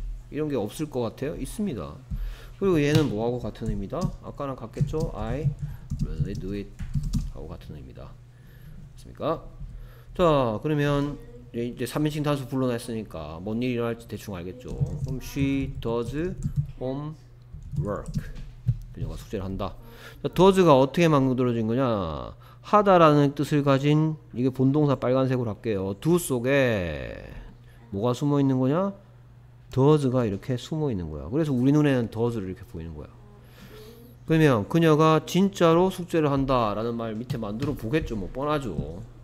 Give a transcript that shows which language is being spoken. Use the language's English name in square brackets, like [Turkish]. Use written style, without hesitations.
[Korean] 이런 게 없을 것 같아요? 있습니다. 그리고 얘는 뭐하고 같은 의미다? 아까랑 같겠죠? [English] I really do it [Korean] 하고 같은 의미다. 맞습니까? 자, 그러면 이제 3인칭 단수 불러냈으니까 뭔 일이 일어날지 대충 알겠죠. 그럼 [English] she does homework. [Korean] 그녀가 숙제를 한다. does가 어떻게 만들어진 거냐? 하다라는 뜻을 가진 이게 본동사 빨간색으로 할게요. do 속에 뭐가 숨어 있는 거냐? does가 이렇게 숨어 있는 거야. 그래서 우리 눈에는 does를 이렇게 보이는 거야. 그러면 그녀가 진짜로 숙제를 한다라는 말 밑에 만들어 보겠죠. 뭐 뻔하죠.